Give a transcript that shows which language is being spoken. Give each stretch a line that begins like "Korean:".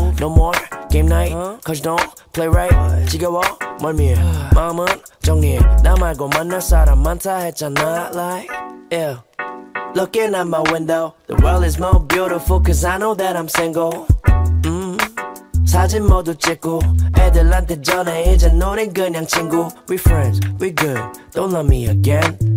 English: No more game night, cause you don't play right.
Korean: 지겨워 멀미해 마음은 정리해. 나 말고 만날 사람 많다 했잖아.
English: Like, yeah. Looking out my window, the world is more beautiful, cause I know that I'm single.
Korean: 사진 모두 찍고 애들한테 전해 이제 우린 그냥 친구.
English: We friends, we good, don't love me again.